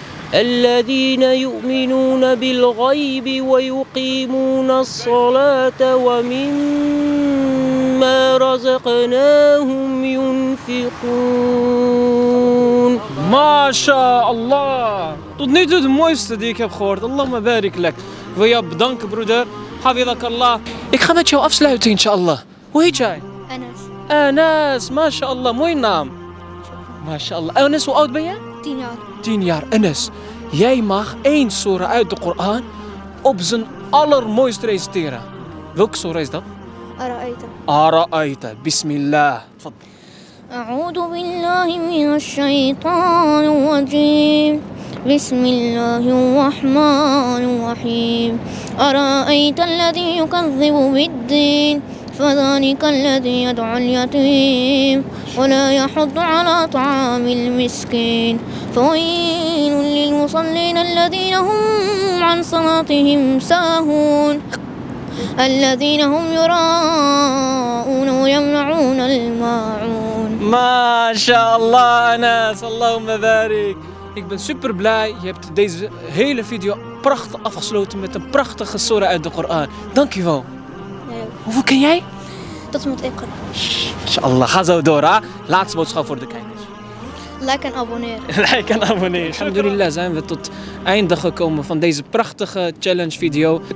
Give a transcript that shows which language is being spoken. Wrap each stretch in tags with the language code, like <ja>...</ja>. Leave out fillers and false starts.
<ar>الذين يؤمنون بالغيب ويقيمون الصلاة ومما رزقناهم ينفقون</ar> <nl>MashaAllah. Tot nu toe de mooiste die ik heb gehoord.</nl> <ar>Allahumma barik lak.</ar> <nl>Ik wil jou bedanken, broeder. Hafizakallah. Ik ga met jou afsluiten, inshallah. Hoe heet jij? Anas. Anas, MashaAllah. Mooi naam. MashaAllah. Anas, hoe oud ben je? 10 jaar. 10 jaar. Anas, jij mag 1 sura uit de Koran op zijn allermooiste reciteren. Welke sura is dat? Ara'aita.</nl> <ar>Bismillah. A'udhu billahi minash shaitanir rajim. Bismillahir rahmanir rahim. Ara'aita alladhi yukadhibu bid-din. Fadhalika alladhi yad'u al-yatim. Wa la yahuddu 'ala ta'amil miskin. Fawailun lil musallin alladhina hum 'an salatihim sahun. الذين هم يراءون ويمنعون الماعون ما شاء الله أناس اللهم بارك</ar> <nl>Ik ben super blij. Je hebt deze hele video prachtig afgesloten met een prachtige sura uit de Koran. Dankjewel. Nee. Hoeveel ken jij? Dat moet ik gaan. Inshallah, ga zo door. Hè? Laatste boodschap voor de kijkers. Like en abonneer. Like en abonneer. Alhamdulillah zijn we tot einde gekomen van deze prachtige challenge video.</nl>